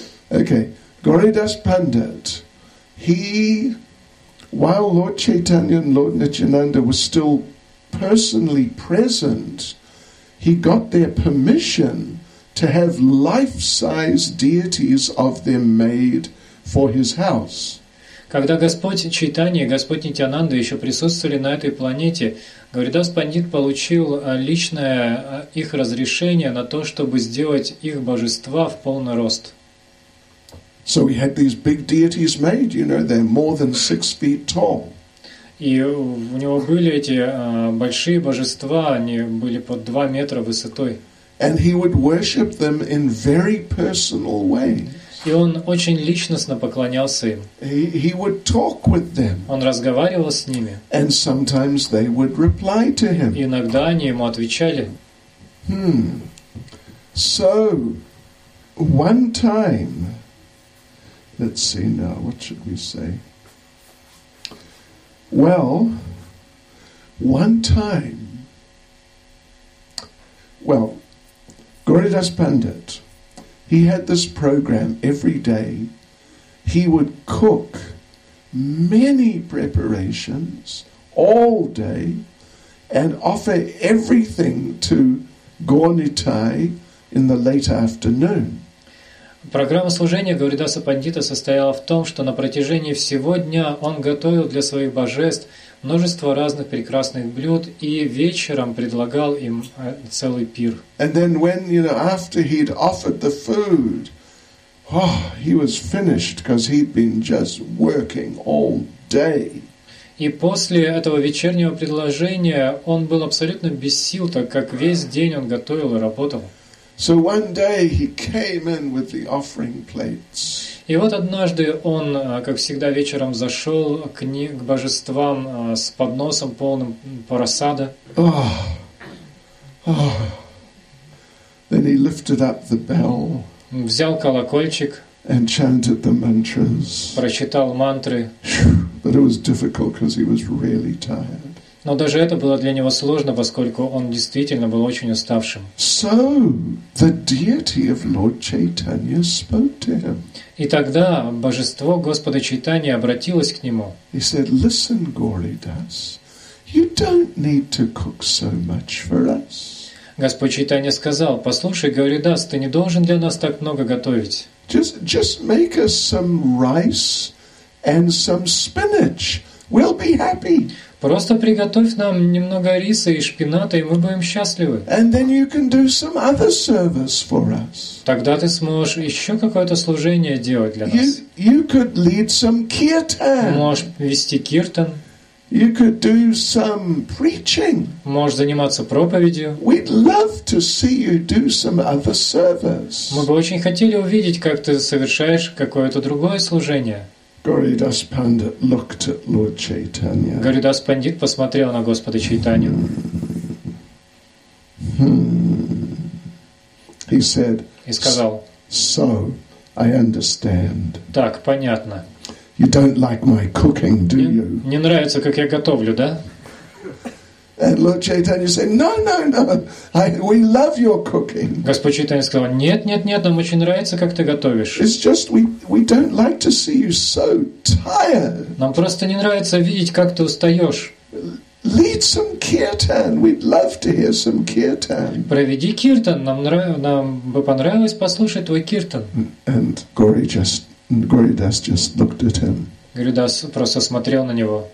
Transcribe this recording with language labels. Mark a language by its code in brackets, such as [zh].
[en] Okay, Gauridas Pandit. He, while Lord Chaitanya and Lord Nityananda were still personally present, he got their permission to have life-size deities of them made for his house. [ru] Когда Господь Чайтанья, Господь Нитянанда еще присутствовали на этой планете, Гаридас Пандит получил личное их разрешение на то, чтобы сделать их божества в полный рост. [en] So we had these big deities made, you know, they're more than 6 feet tall. [ru] И у него были эти большие божества, они были под 2 метра высотой. [en] And he would worship them in very personal ways. [ru] И он очень личностно поклонялся им. [en] He would talk with them. [ru] Он разговаривал с ними. [en] And sometimes they would reply to him. [ru] И иногда они ему отвечали. [en] So, one time, let's see now, what should we say? Well, one time, well, Gauridas Pandit, he had this program every day. He would cook many preparations all day and offer everything to Gaur Nitai in the late afternoon. [ru] Программа служения Гауридаса Пандита состояла в том, что на протяжении всего дня он готовил для своих божеств множество разных прекрасных блюд и вечером предлагал им целый пир. [en] And then when, you know, after he'd offered the food, oh, he was finished because he'd been just working all day. [ru] И после этого вечернего предложения он был абсолютно без сил, так как весь день он готовил и работал. [en] So one day he came in with the offering plates. [ru] И вот однажды он, как всегда, вечером зашел к божествам с подносом полным просада. [en] Then he lifted up the bell. [ru] Взял колокольчик. [en] And chanted the mantras. [ru] Прочитал мантры. [en] But it was difficult because he was really tired. [ru] Но даже это было для него сложно, поскольку он действительно был очень уставшим. [en] So, the deity of Lord Chaitanya spoke to him. [ru] И тогда божество Господа Чайтаньи обратилось к нему. [en] He said, "Listen, Gauridas, you don't need to cook so much for us." [ru] Господь Чайтанья сказал: "Послушай, Гауридас, ты не должен для нас так много готовить. [en] Just make us some rice and some spinach. We'll be happy." [ru] Просто приготовь нам немного риса и шпината, и мы будем счастливы. [en] And then you can do some other service for us. [ru] Тогда ты сможешь еще какое-то служение делать для нас. [en] You could lead some kirtan. [ru] Можешь вести киртан. [en] You could do some preaching. [ru] Можешь заниматься проповедью. [en] We'd love to see you do some other service. [ru] Мы бы очень хотели увидеть, как ты совершаешь какое-то другое служение. [en] Gauridas Pandit looked at Lord Chaitanya. [ru] Gauridas Pandit посмотрел на Господа Чайтанью. [en] He said. [ru] И сказал. [en] So, I understand. [ru] Так, понятно. [en] You don't like my cooking, do you? [ru] Не нравится, как я готовлю, да? [en] And Lord Chaitanya said, No. We love your cooking. [ru] Господь Чайтанья сказал: Нет, нам очень нравится, как ты готовишь. [en] It's just we don't like to see you so tired. [ru] Нам просто не нравится видеть, как ты устаешь. [en] Lead some kirtan. We'd love to hear some kirtan. [ru] Проведи киртан. Нам бы понравилось послушать твой киртан. [en] And Gauridas just looked at him. [ru] Гаридас просто смотрел на него.